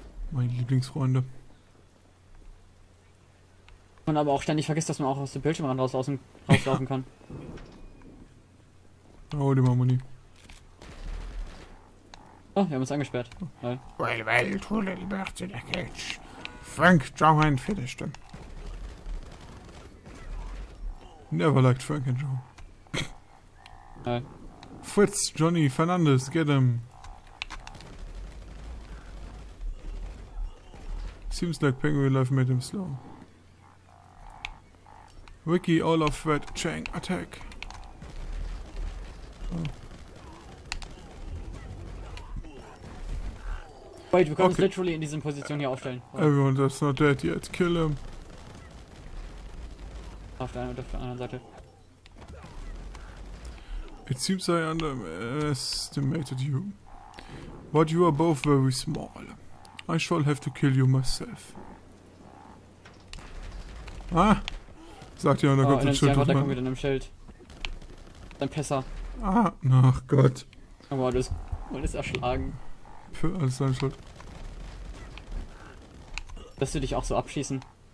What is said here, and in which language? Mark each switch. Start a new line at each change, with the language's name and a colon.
German: Meine Lieblingsfreunde. Man aber auch ständig vergisst, dass man auch aus dem Bildschirm raus rauslaufen kann. Oh, die Mamoni. Oh, wir haben uns angesperrt. Nein.
English: Well, well, too little birds in a cage. Frank, Joe and finish them. Never liked Frank and Joe.
German: Nein.
English: Fritz, Johnny, Fernandez, get him. Seems like Penguin Life made him slow. Ricky, Olaf, Red, Chang, attack. Oh. Wait,
German: wir können uns literally in diesen Positionen hier aufstellen. Oder?
English: Everyone that's not dead yet, kill him.
German: Auf der einen und auf der anderen Seite.
English: It seems I underestimated you. But you are both very small. I shall have to kill you myself. Ah!
German: Sagt ja, da kommt ein Schild. Da kommt wieder ein Schild. Dein Pisser. Ah, ach Gott. Oh, wow, du bist erschlagen. Für alles dein Schuld. Lass du dich auch so abschießen?